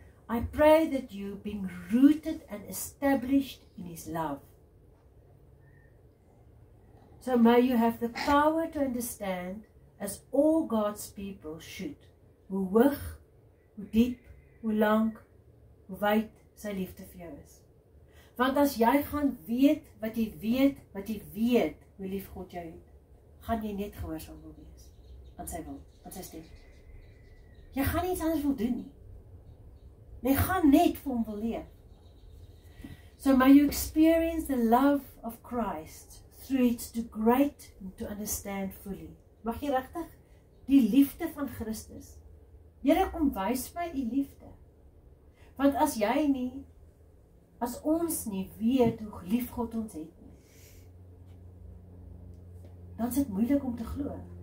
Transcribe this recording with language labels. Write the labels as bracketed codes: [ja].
[en] I pray that you, being rooted and established in his love, so may you have the power to understand, as all God's people should, [af] hoe hoog, hoe diep, hoe lank, hoe wyd sy liefde vir jou is. Want as jy gaan weet wat jy weet, wat jy weet, hoe lief God jou het, gaan jy net gehoorsaam wil wees, aan sy wil, aan sy stem. Jy gaan nie iets anders wil doen nie. Jy gaan net vir hom wil leef. [en] So may you experience the love of Christ through it to great and to understand fully. [af] Mag jy regtig die liefde van Christus. Here, kom wys my die liefde. Want as jy nie, as ons nie weet hoe lief God ons het nie, dan is dit moeilik om te glo.